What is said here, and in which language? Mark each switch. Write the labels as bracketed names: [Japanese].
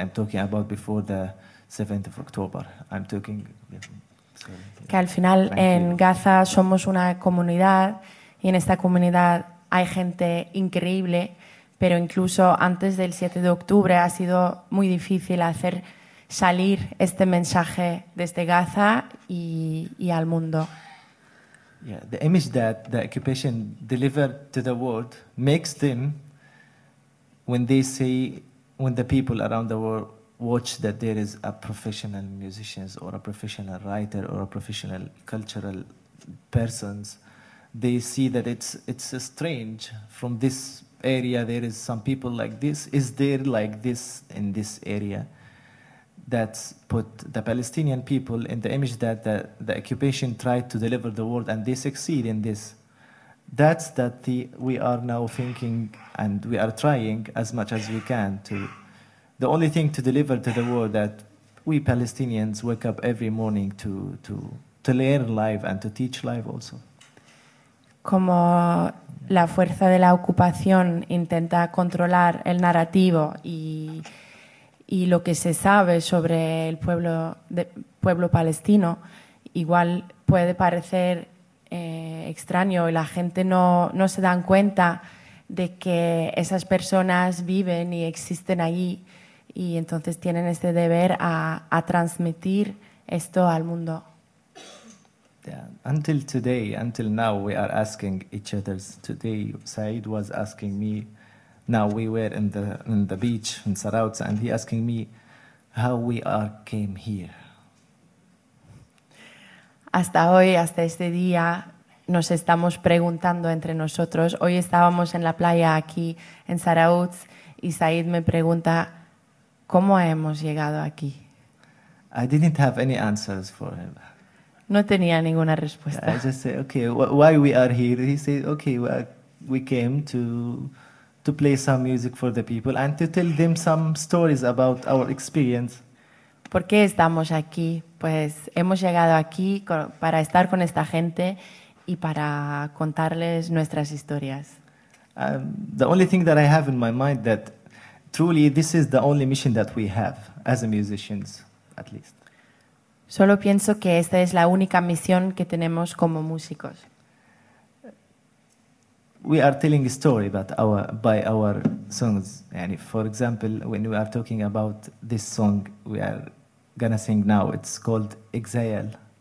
[English] I'm talking about before the 7th of October. I'm talking. [Spanish] Que al final en Gaza somos una comunidad y en esta comunidad hay gente increíble, pero incluso antes del 7 de octubre ha sido muy difícil hacer salir este mensaje desde Gaza y al mundo. [English] Yeah, the image that the occupation delivered to the world makes them, when they see, when the people around the world watch that there is a professional musician or a professional writer or a professional cultural persons, they see that it's strange from this area there is some people like this. Is there like this in this area that put the Palestinian people in the image that the occupation tried to deliver the world and they succeed in this? That's that we are now thinking and we are trying as much as we can to the only thing to deliver to the world that we Palestinians wake up every morning to learn life and to teach life also. [Spanish] Como la fuerza de la ocupación intenta controlar el narrativo y lo que se sabe sobre el pueblo palestino, igual puede parecer extraño y la gente no se dan cuenta de que esas personas viven y existen allí y entonces tienen este deber a transmitir esto al mundo. [English] Yeah. Until today, until now, we are asking each other. Today, Said was asking me, now we were in the beach in Sarautz, and he asking me how we came here. [Spanish] hasta hoy, hasta este día, nos estamos preguntando entre nosotros. Hoy estábamos en la playa aquí en Zarautz y Said me pregunta, ¿cómo hemos llegado aquí? [English] I didn't have any answers for him. [Spanish] No tenía ninguna respuesta. [English] I just said, okay, why we are here? He said, okay, we came to play some music for the people and to tell them some stories about our experience. [Spanish] ¿Por qué estamos aquí? Pues hemos llegado aquí para estar con esta gente y para contarles nuestras historias. [English] The only thing that I have in my mind that truly this is the only mission that we have as musicians, at least. [Spanish] Solo pienso que esta es la única misión que tenemos como músicos. [English] We are telling a story by our songs. And if, for example, when we are talking about this song we are gonna sing now, it's called Exhale.